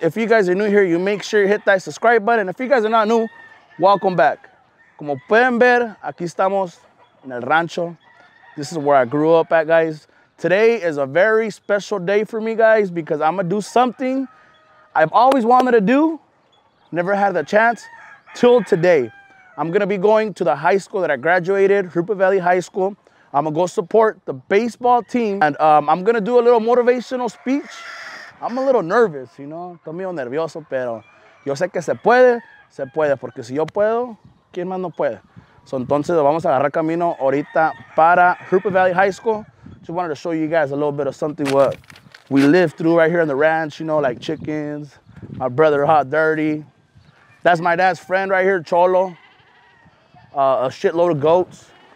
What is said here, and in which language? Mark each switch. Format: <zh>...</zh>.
<en>If you guys are new here, you make sure you hit that subscribe button. If you guys are not new, welcome back.</en> <es>Como pueden ver, aquí estamos en el rancho.</es> <en>This is where I grew up at, guys. Today is a very special day for me, guys, because I'm gonna do something I've always wanted to do, never had the chance, till today. I'm gonna be going to the high school that I graduated, Rupa Valley High School. I'm gonna go support the baseball team, and I'm gonna do a little motivational speech. I'm a little nervous, you know?</en> <es>Estoy medio nervioso, pero yo sé que se puede, porque si yo puedo, ¿quién más no puede? So entonces vamos a agarrar camino ahorita para Rupa Valley High School.</es> <en>Just wanted to show you guys a little bit of something what we live through right here on the ranch, you know, like chickens, my brother hot dirty. That's my dad's friend right here, Cholo. A shitload of goats.</en>